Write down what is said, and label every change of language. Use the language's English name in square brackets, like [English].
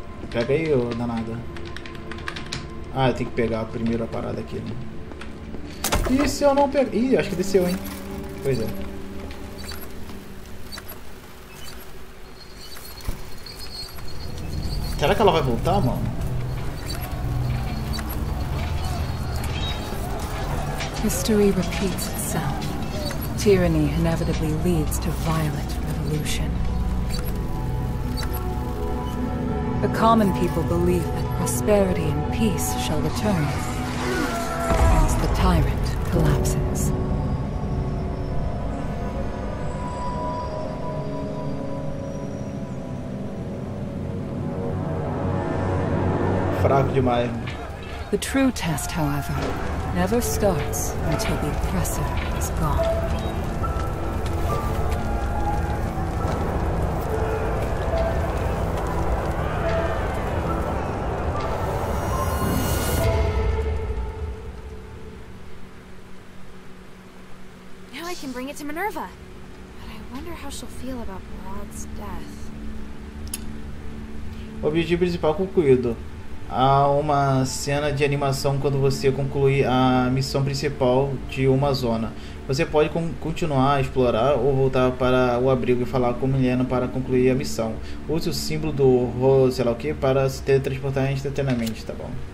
[Portuguese] Pega aí, ô danada. Ah, eu tenho que pegar primeiro a parada aqui, né? E se eu não pegar? Ih, acho que desceu, hein? Pois é. Será que ela vai voltar, mano? [English] History repeats itself. Tyranny inevitably leads to violent revolution. The common people believe that prosperity and peace shall return as the tyrant collapses. [Portuguese] Fraco demais. [English] The true test, however, never starts until the oppressor is gone. Now I can bring it to Minerva. But I wonder how she'll feel about Rod's death. [Portuguese] Objetivo principal concluído. Há uma cena de animação quando você concluir a missão principal de uma zona. Você pode continuar a explorar ou voltar para o abrigo e falar com Milena para concluir a missão. Use o símbolo do sei lá o que para se teletransportar instantaneamente, tá bom?